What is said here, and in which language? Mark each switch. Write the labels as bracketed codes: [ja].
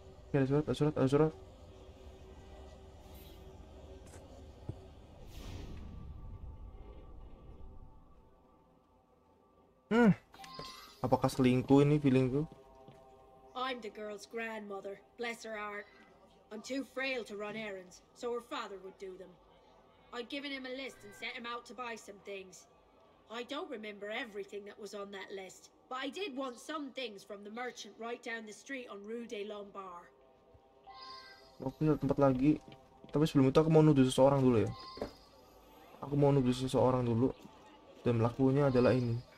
[id] Ada surat, ada surat, ada surat. Apakah selingkuh ini feelingku? [en] I'm the girl's grandmother, bless her heart. I'm too frail to run errands, so her father would do them. I'd given him a list and set him out to buy some things. I don't remember everything that was on that list, but I did want some things from the merchant right down the street on Rue des Lombards. [id] Oke, tempat lagi. Tapi sebelum itu aku mau nuduh seseorang dulu ya. Aku mau nuduh seseorang dulu. Dan pelakunya adalah ini.